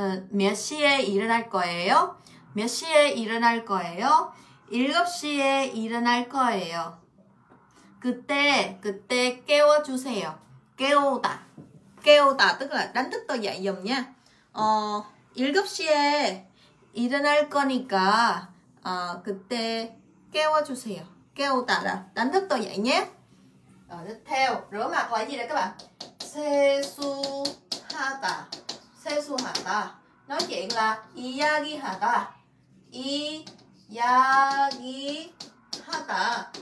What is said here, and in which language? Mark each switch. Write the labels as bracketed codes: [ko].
[ko] 몇 시에 일어날 거예요? 몇 시에 일어날 거예요? 7시에 일어날 거예요. 그때 깨워 주세요. 깨우다. [vi] 깨우다 tức là đánh thức tôi dậy giùm nha. [ko] 7시에 일어날 거니까 그때 깨워 주세요. [vi] 깨우다 đánh thức tôi dậy nhé. Tiếp theo, rửa mặt là gì đây các bạn? [ko] 세수하다. 세수하다. [vi] Nói chuyện là 이야기하다. [ko] 이야기하다.